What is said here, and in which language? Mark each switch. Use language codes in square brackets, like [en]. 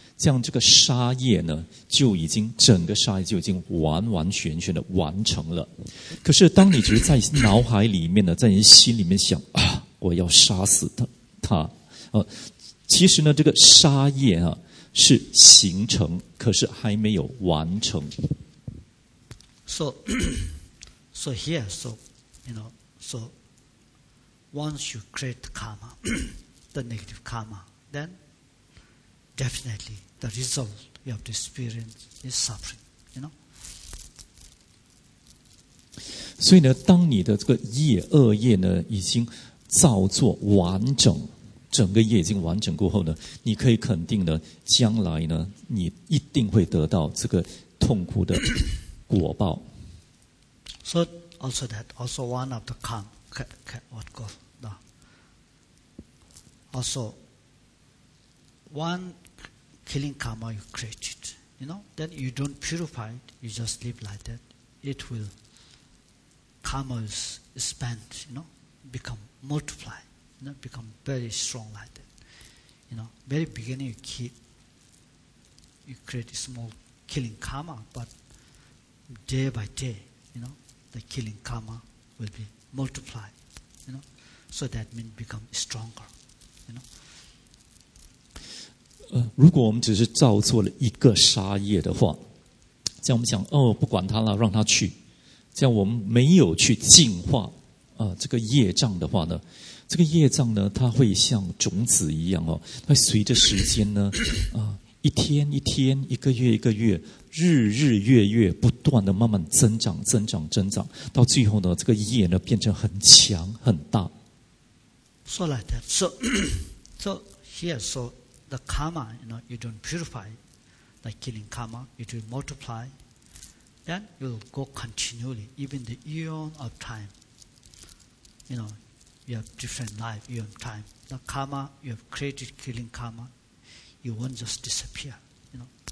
[zh] 这样这个沙业呢，就已经整个沙业就已经完完全全的完成了。可是当你只是在脑海里面呢，在你心里面想啊，我要杀死他，其实呢，这个沙业啊。是形成，可是还没有完成。 [en] So here, so you know, so once you create karma, the negative karma, then definitely the result you have to experience is suffering. You know. [zh] 所以呢，当你的这个业恶业呢已经造作完整。整个业已经完整过后呢，你可以肯定呢，将来呢，你一定会得到这个痛苦的果报。 [en] So also that also one of the karma, okay, what go? No. Also one killing karma you created, you know, then you don't purify it, you just live like that. It will karma is spent, you know, become multiply. You know, become very strong like that. You know, very beginning you create a small killing karma, but day by day, you know, the killing karma will be multiplied, you know, so that means become stronger, you know. [zh] 如果我们只是造作了一个杀业的话，这样我们想，哦，不管他了，让他去，这样我们没有去净化这个业障的话呢，这个业障呢，它会像种子一样哦，它随着时间呢，一天一天，一个月一个月，日日月月，不断的慢慢增长，增长，增长，到最后呢，这个业呢变成很强很大。 [en] So like that. So here, so the karma, you know, you don't purify, like killing karma, it will multiply, then you'll go continually, even the eon of time, you know. You have different life, you have time. The karma, you have created killing karma, you won't just disappear. You know?